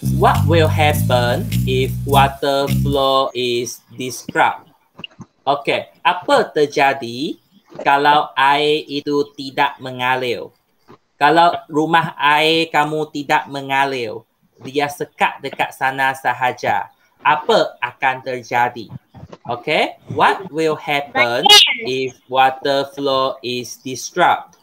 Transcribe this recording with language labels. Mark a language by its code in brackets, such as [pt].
[en] What will happen if water flow is disrupted? Okay. [ms] Apa terjadi kalau air itu tidak mengalir? Kalau rumah air kamu tidak mengalir, dia sekat dekat sana sahaja, apa akan terjadi? [en] Okay, what will happen if water flow is disrupted?